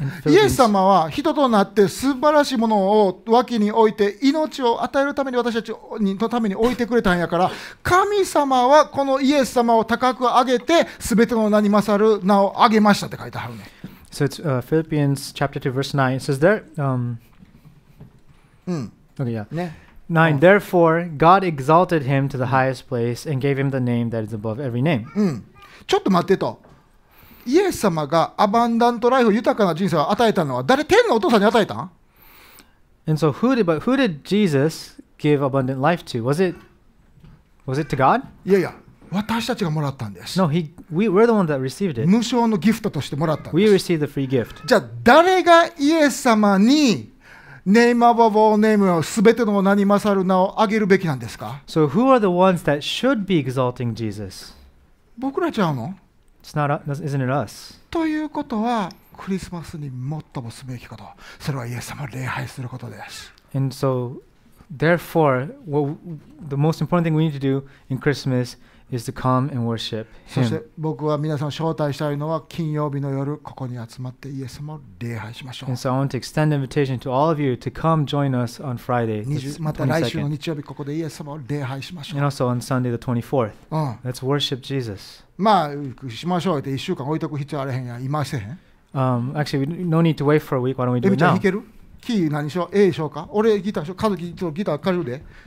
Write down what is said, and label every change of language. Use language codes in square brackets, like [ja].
[ja] イエス様は人となって素晴らしいものを脇に置いて命を与えるために私たちのために置いてくれたんやから、神様はこのイエス様を高く上げて全ての名に勝る名を上げましたって書いてあるね。 [en] So it's Philippians chapter 2 verse 9. It says there Okay, yeah. [ja] ね。 9. [en] Therefore God exalted him to the highest place and gave him the name that is above every name. [ja] ちょっと待ってと、イエス様がアバンダントライフ、豊かな人生を与えたのは誰？天のお父さんに与えたん？ [en] And so who did Jesus give abundant life to? Was it to God? [ja] いやいや、私たちがもらったんです。 [en] No, we're the ones that received it. [ja] 無償のギフトとしてもらったんです。 [en] We received the free gift. [ja] じゃあ誰がイエス様にネイマーバーボーネームをすべての名に勝る名をあげるべきなんですか？ [en] So who are the ones that should be exalting Jesus? [ja] 僕らちゃうの？ [en] Isn't it us? [ja] ということはクリスマスに最もすべきこと、それはイエス様を礼拝することです。 [en] And so, therefore, what the most important thing we need to do in Christmas is to come and worship Him. [ja] そして僕は皆さんを招待したいのは、金曜日の夜ここに集まってイエス様を礼拝しましょう。 [en] And so I want to extend an invitation to all of you to come join us on Friday. [ja] また来週の日曜日ここでイエス様を礼拝しましょう。 [en] And also on Sunday the 24th. Let's worship Jesus. [ja] まあしましょうって1週間置いておく必要あれへんや、今してへん。 [en] Actually, no need to wait for a week. Why don't we do it now? [ja] エビちゃん弾ける？キー何しよう？ A しようか？俺ギターしよう？カズキギター借りるで。